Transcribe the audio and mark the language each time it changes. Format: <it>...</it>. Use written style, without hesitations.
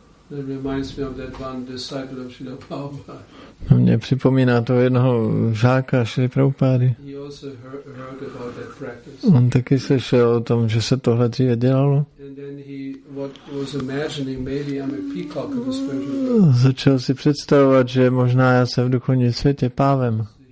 <en>That reminds me of that one disciple of Srila Prabhupada.</en> <cs>No, mě připomíná toho jednoho žáka Srila Prabhupády.</cs> <en>He also heard about that practice.</en> <cs>On taky slyšel o tom, že se tohle dříve dělalo.</cs> <en>And then he what was imagining maybe I'm a peacock in the spiritual world.</en> <cs>Začal si představovat, že možná já jsem v duchovním světě pávem.</cs>